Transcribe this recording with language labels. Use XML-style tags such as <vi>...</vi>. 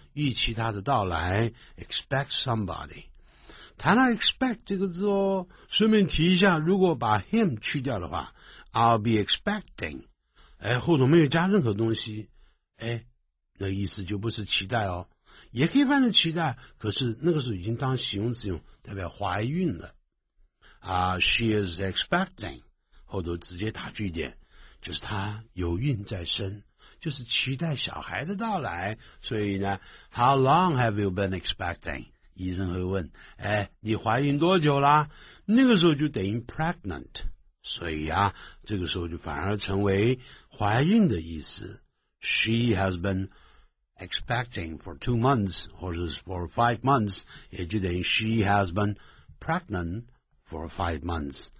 <zh>预期他的到来 expect somebody。谈到 expect 这个字哦，顺便提一下，如果把 him 去掉的话，</zh> <en>I'll be expecting，</en> <zh>哎，后头没有加任何东西，哎，那意思就不是期待哦，也可以翻成期待，可是那个时候已经当形容词用，代表怀孕了。</zh> <en>She is expecting，</en> <zh>后头直接打句点，就是她有孕在身，就是期待小孩的到来。所以呢</zh> <en>How long have you been expecting？</en> <zh>医生会问，哎，你怀孕多久啦？那个时候就等于 pregnant， 所以啊，这个时候就反而成为怀孕的意思。</zh> <en>She has been expecting for 2 months，</en> <zh>或者是</zh> <en>for 5 months， 也就等于 she has been pregnant for 5 months。</en>